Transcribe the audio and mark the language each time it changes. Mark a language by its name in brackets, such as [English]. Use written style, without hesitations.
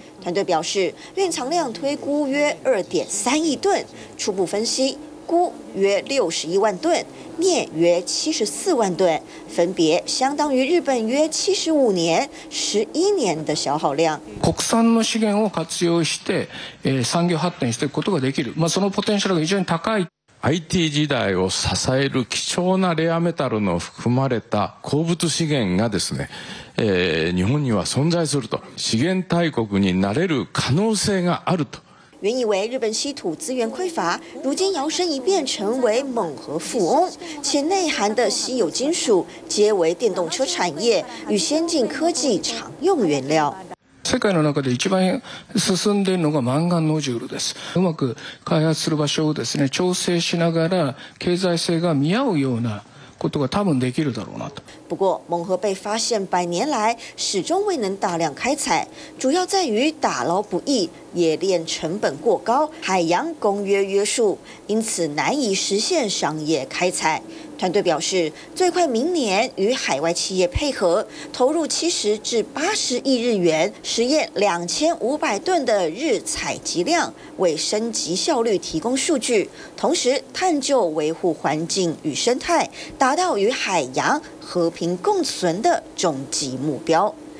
[Chinese] 团队表示、蕴藏量推估約2.3亿吨、初步分析、钴约61万吨，镍约74万吨，分别相当于日本约75年、11年的消耗量。 [Japanese] 国産の資源を活用して、産業発展していくことができる。まあそのポテンシャルが非常に高い。 IT 時代を支える貴重なレアメタルの含まれた鉱物資源がですね、日本には存在すると、資源大国になれる可能性があると。 [Chinese] 原以为日本稀土资源匮乏，如今摇身一变成为锰核富翁，且内含的稀有金属皆为电动车产业与先进科技常用原料。 [Japanese] 世界の中で一番進んでいるのがマンガンノジュールです。うまく開発する場所をですね、調整しながら経済性が見合うようなことが多分できるだろうなと。 [Chinese] 不过，锰核被发现百年来始终未能大量开采，主要在于打捞不易、冶炼成本过高、海洋公约约束，因此难以实现商业开采。团队表示，最快明年与海外企业配合，投入70至80亿日元，实验2500吨的日采集量，为升级效率提供数据，同时探究维护环境与生态，达到与海洋和平共存的终极目标。